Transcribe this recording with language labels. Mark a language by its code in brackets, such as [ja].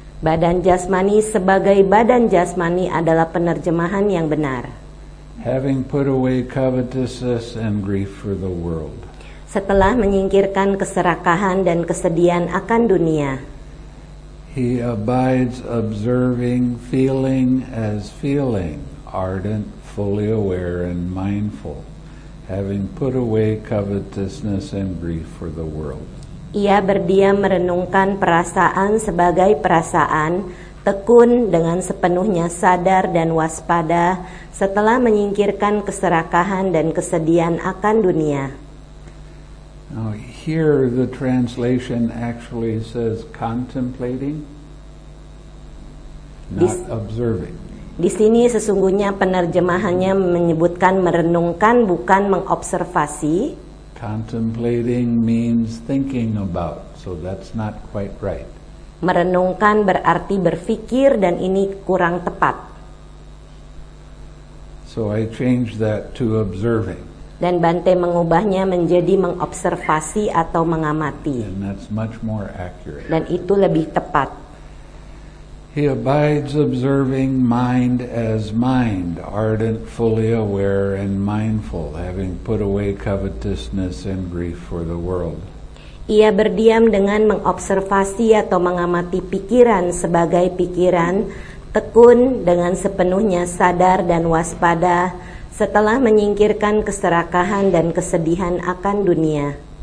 [id] Badan jasmani sebagai badan jasmani adalah penerjemahan yang benar. [en] Having put away covetousness and grief for the world. [id] Setelah menyingkirkan keserakahan dan kesedihan akan dunia. [en] He abides observing, feeling as feeling, ardent, fully aware and mindful. Having put away covetousness and grief for the world. [id] Ia berdiam merenungkan perasaan sebagai perasaan, tekun dengan sepenuhnya sadar dan waspada, setelah menyingkirkan keserakahan dan kesedihan akan dunia. [en] Now, here the translation actually says contemplating, not observing. [id] Di sini sesungguhnya penerjemahannya menyebutkan merenungkan, bukan mengobservasi. [en] Contemplating means thinking about, so that's not quite right. [id] Merenungkan berarti berpikir dan ini kurang tepat. [en] So I change that to observing. [id] Dan Bante mengubahnya menjadi mengobservasi atau mengamati. [en] And that's much more accurate. [id] Dan itu lebih tepat. [en] He abides observing mind as mind, ardent, fully aware and mindful, having put away covetousness and grief for the world. [id] Ia berdiam dengan mengobservasi atau mengamati pikiran sebagai pikiran, tekun dengan sepenuhnya sadar dan waspada, setelah menyingkirkan keserakahan dan kesedihan akan dunia.